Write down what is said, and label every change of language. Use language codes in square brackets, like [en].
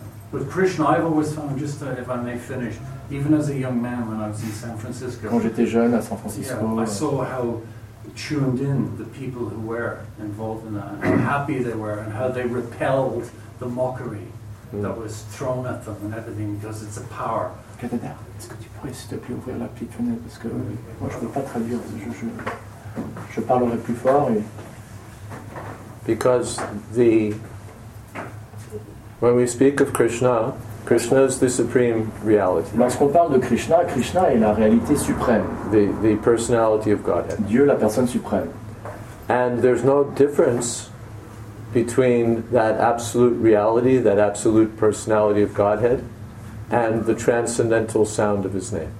[en] With Krishna, I've always found, just to, if I may finish, even as a young man when I was in San Francisco, [fr] quand j'étais jeune à San Francisco, [en] yeah, I saw how tuned in the people who were involved in that, how happy they were, and how they repelled the mockery that was thrown at them and everything because it's a power. [fr] Est-ce que tu pourrais s'il te plaît ouvrir la petite fenêtre parce que moi je peux pas traduire, je parlerai plus fort. Et... [en] Because when we speak of Krishna, Krishna is the supreme reality. [fr] Lorsqu'on parle de Krishna, Krishna est la réalité suprême. [en] The personality of Godhead. [fr] Dieu, la personne suprême. [en] And there's no difference between that absolute reality, that absolute personality of Godhead, and the transcendental sound of His name.